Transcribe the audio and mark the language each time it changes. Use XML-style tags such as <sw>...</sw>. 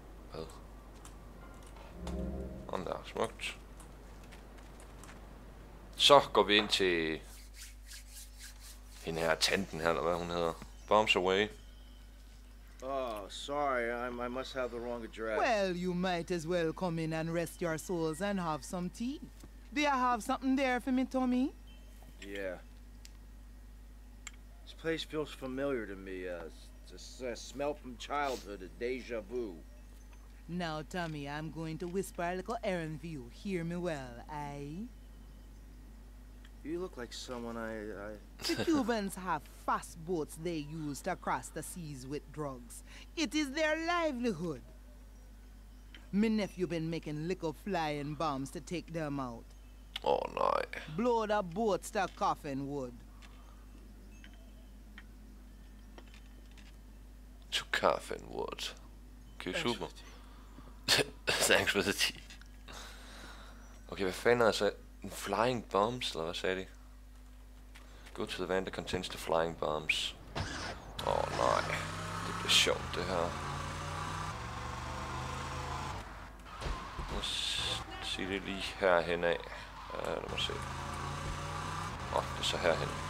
<da>Hvad? Sådan der, smukt. Så går vi ind til hende her, tanten her, eller hvad hun hedder.</da> <en>Bombs away. Oh, sorry, I must have the wrong address. Well, you might as well come in and rest your souls and have some tea. Do you have something there for me, Tommy? Yeah. This place feels familiar to me, a smell from childhood, a deja vu. Now, Tommy, I'm going to whisper a little errand for you. Hear me well, aye? You look like someone I... The Cubans have fast boats they use to cross the seas with drugs. It is their livelihood. My nephew been making little flying bombs to take them out. Oh, no. Blow the boats to coffin wood. To cough and what? Okay, super. Thanks for the tea.</en> <da>Okay, hvad fanden er det så?</da> <en>Flying bombs,</en> <da>eller hvad sagde de?</da> <en>Go to the van that contains the flying bombs.</en> <da>Åh, nej. Det bliver sjovt, det her. Lad mig sige det lige herhenad. Lad mig se. Åh, det er så herhen.</da>